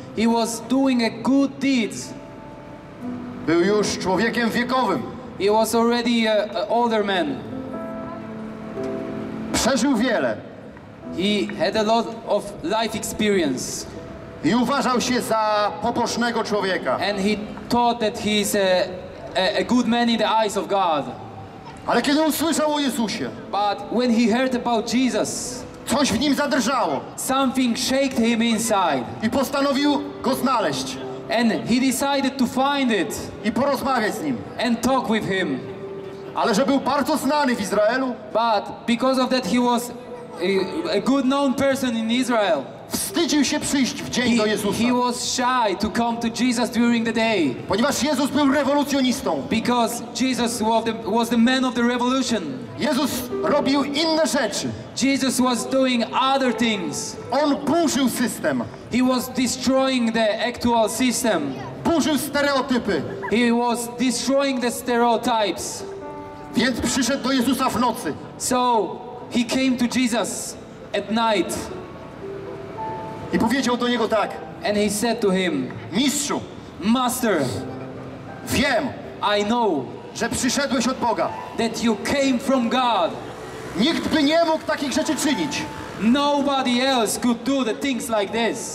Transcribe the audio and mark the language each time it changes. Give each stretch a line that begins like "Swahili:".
English: He was doing a good deeds.
Polish: Był już człowiekiem wiekowym.
English: He was already an older man.
Polish: Przeżył wiele.
English: He had a lot of life experience.
Polish: I uważał się za pobożnego człowieka.
English: And he thought that he is a good man in the eyes of God.
Polish: Ale kiedy usłyszał o Jezusie,
English: but when he heard about Jesus,
Polish: coś w nim zadrżało.
English: Something shaked him inside.
Polish: I postanowił go znaleźć.
English: And he decided to find it.
Polish: I porozmawiać z nim.
English: And talk with him.
Polish: Ale że był bardzo znany w Izraelu,
English: but because of that he was a good known person in Israel.
Polish: Wstydził się przyjść w dzień do Jezusa.
English: He was shy to come to Jesus during the day.
Polish: Ponieważ Jezus był rewolucjonistą.
English: Because Jesus was the man of the revolution.
Polish: Jezus robił inne rzeczy.
English: Jesus was doing other things.
Polish: On burzył system.
English: He was destroying the actual system.
Polish: Burzył stereotypy.
English: He was destroying the stereotypes.
Polish: Więc przyszedł do Jezusa w nocy.
English: So he came to Jesus at night.
Polish: I powiedział do niego tak.
English: And he said to him,
Polish: Mistrzu,
English: Master,
Polish: wiem,
English: I know,
Polish: że przyszedłeś od Boga.
English: That you came from God.
Polish: Nikt by nie mógł takich rzeczy czynić.
English: Nobody else could do the things like this.